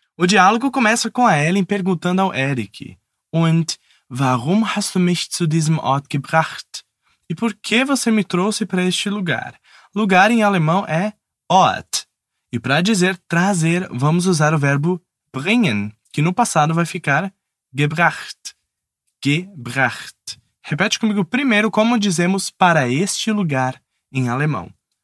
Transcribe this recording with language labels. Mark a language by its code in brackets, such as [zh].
[pt] O diálogo começa com a Ellen perguntando ao Eric. [de] Und warum hast du mich zu diesem Ort gebracht? [pt] E por que você me trouxe para este lugar? Lugar em alemão é Ort. E para dizer trazer, vamos usar o verbo bringen, que no passado vai ficar gebracht. [de] Gebracht. [pt] Repete comigo primeiro como dizemos para este lugar em alemão.